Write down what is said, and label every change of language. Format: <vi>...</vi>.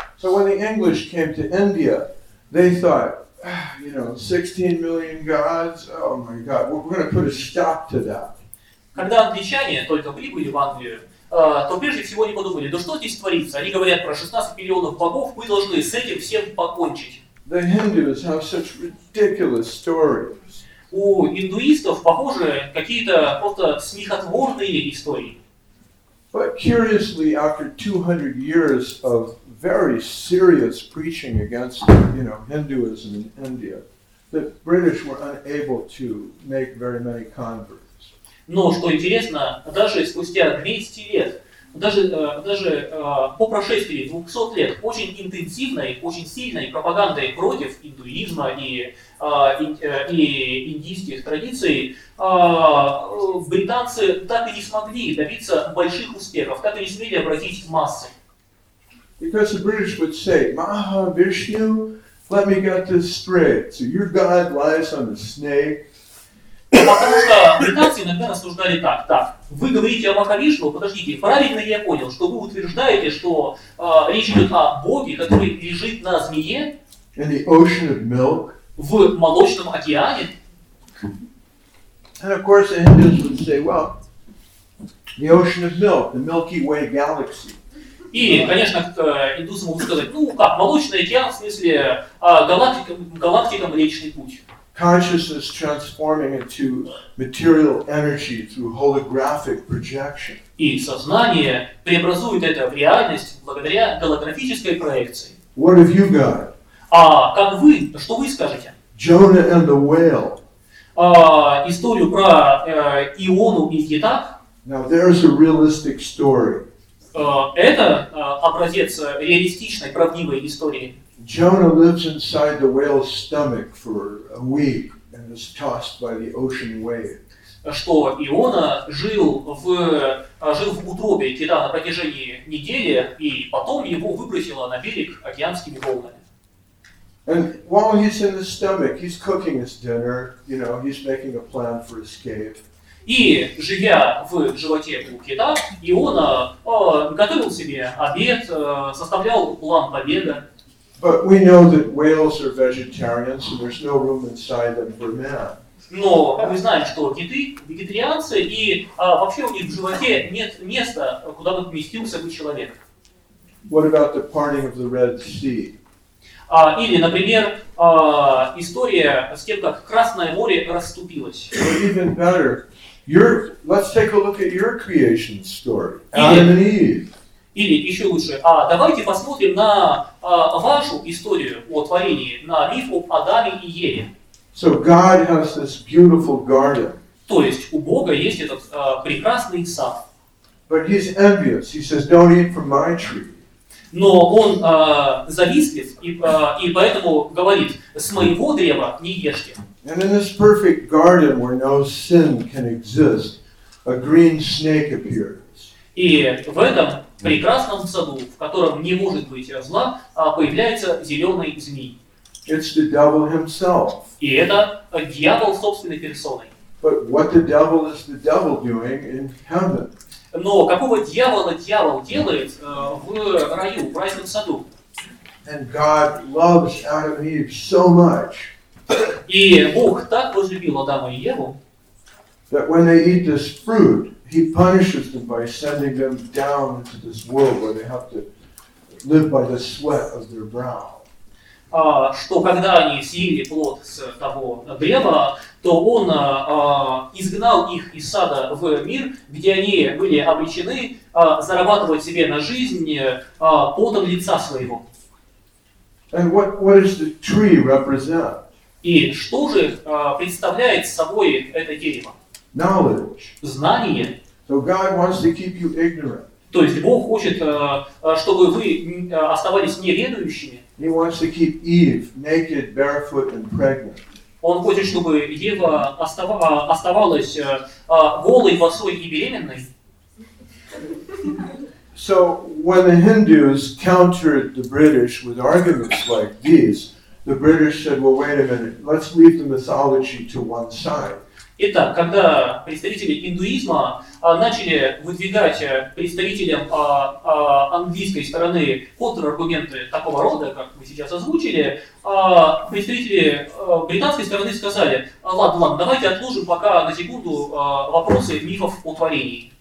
<en>So when the English came to India, they thought, you know, 16 million gods, oh my God, we're going to put a stop to that.</en> <ru>Когда англичане только прибыли в Англию, то прежде всего они подумали, да что здесь творится? Они говорят про 16 миллионов богов, мы должны с этим всем покончить.</ru> <en>The Hindus have such ridiculous stories.</en> <ru>У индуистов, похоже, какие-то просто смехотворные истории.</ru> <en>But curiously, after 200 years of very serious preaching against, you know, Hinduism in India, the British were unable to make very many converts.</en> <ru>Но что интересно, даже спустя 200 лет, даже по прошествии 200 лет очень интенсивной, очень сильной пропаганды против индуизма и индийских традиций, британцы так и не смогли добиться больших успехов, так и не смогли обратить в массы.</ru> <en>Because the British would say, Mahavishnu, let me get this straight. So your God lies on a snake.</en> <ru>Потому что британцы иногда рассуждали так. Так, вы говорите о Махавишну, подождите, правильно я понял, что вы утверждаете, что речь идет о Боге, который лежит на змее?</ru> <en>In the ocean of milk.</en> <ru>В молочном океане?</ru> <en>And of course the Hindus would say, well, the ocean of milk, the Milky Way galaxy.</en> <ru>И, конечно, индусам могут сказать, ну как, молочный океан, в смысле, галактика Млечный Путь.</ru> <en>Consciousness transforming into material energy through holographic projection.</en> <ru>И сознание преобразует это в реальность благодаря голографической проекции.</ru> <en>What have you got?</en> <ru>А как вы, что вы скажете?</ru> <en>Jonah and the whale.</en> <ru>Историю про Иону и Кита.</ru> <en>Now there's a realistic story.</en> <ru>Это образец реалистичной, правдивой истории.</ru> <en>Jonah lives inside the whale's stomach for a week and is tossed by the ocean waves.</en> <ru>Что Иона жил в утробе кита на протяжении недели, и потом его выбросило на берег океанскими волнами.</ru> <en>And while he's in the stomach, he's cooking his dinner, you know, he's making a plan for escape.</en> <ru>И, живя в животе у кита, Иона готовил себе обед, составлял план побега.</ru> <en>But we know that whales are vegetarians, and there's no room inside them for man.</en> <ru>Но мы знаем, что киты вегетарианцы, и вообще у них в животе нет места, куда бы поместился бы человек.</ru> <en>What about the parting of the Red Sea?</en> <ru>Или, например, история с тем, как Красное море расступилось.</ru> <en>Or even better. Let's take a look at your creation story, Adam and Eve.</en> <ru>Или еще лучше, давайте посмотрим на вашу историю о творении, на миф об Адаме и Еве.</ru> <en>So God has this beautiful garden.</en> <ru>То есть у Бога есть этот прекрасный сад.</ru> <en>But he's envious. He says, "Don't eat from my tree."</en> <ru>Но он завистлив и поэтому говорит: "С моего древа не ешьте."</ru> <en>And in this perfect garden where no sin can exist, a green snake appears.</en> <ru>И в этом прекрасном саду, в котором не может быть зла, появляется зеленый змей.</ru> <en>It's the devil himself.</en> <ru>И это дьявол собственной персоной.</ru> <en>But what the devil is the devil doing in heaven?</en> <ru>Но какого дьявола дьявол делает в раю, в райском саду?</ru> <en>And God loves Adam and Eve so much.</en> <ru>И Бог так возлюбил Адама и Еву,</ru> <en>that when they eat this fruit, he punishes them by sending them down into this world where they have to live by the sweat of their brow.</en> <ru>Что когда они съели плод с того древа, то он изгнал их из сада в мир, где они были обречены зарабатывать себе на жизнь потом лица своего.</ru> <en>And what does the tree represent?</en> <ru>И что же представляет собой это дерево?</ru> <en>Knowledge.</en> <ru>Знание.</ru> <en>So God wants to keep you ignorant.</en> <ru>То есть Бог хочет, чтобы вы оставались неведущими.</ru> <en>He wants to keep Eve naked, barefoot, and pregnant.</en> <ru>Он хочет, чтобы Ева оставалась голой, босой и беременной.</ru> <en>So when the Hindus countered the British with arguments like these, the British said, "Well, wait a minute. Let's leave the mythology to one side."</en> <ru>Итак, когда представители индуизма начали выдвигать представителям английской стороны контраргументы такого рода, как мы сейчас озвучили, представители британской стороны сказали: «Ладно, ладно, давайте отложим пока на секунду вопросы мифов о творении».</ru>